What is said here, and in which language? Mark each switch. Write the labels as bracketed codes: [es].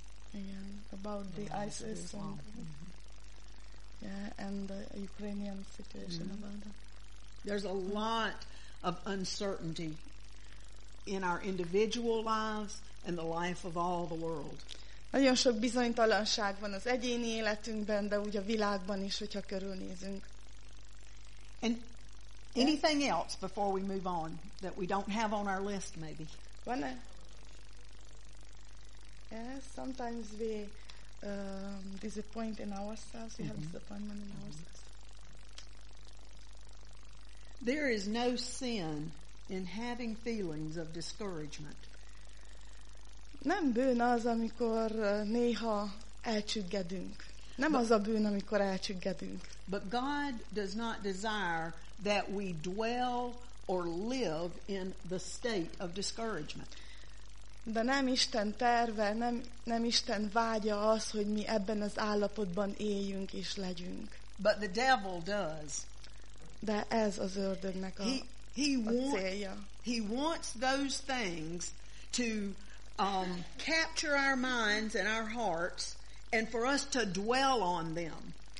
[hu] Igen, [en] about the ISIS and, yeah, and the Ukrainian situation. Mm-hmm. About that. There's a lot of uncertainty in our individual lives and the life of all the world. [hu] Nagyon sok bizonytalanság van az egyéni életünkben, de úgy a világban is, hogyha körülnézünk. [en] And anything else before we move on that we don't have on our list, maybe? [hu] Van-e? [en] Yes, sometimes we disappoint in ourselves. We have disappointment in ourselves. There is no sin in having feelings of discouragement. [hu] Nem bűn az, amikor néha elcsüggedünk. Nem az a bűn, amikor elcsüggedünk. [en] But God does not desire that we dwell or live in the state of discouragement. [hu] De nem Isten terve, nem Isten vágya az, hogy mi ebben az állapotban éljünk és legyünk. [en] But the devil does. [hu] De ez az ördögnek a célja. [en] He wants those things to capture our minds and our hearts and for us to dwell on them.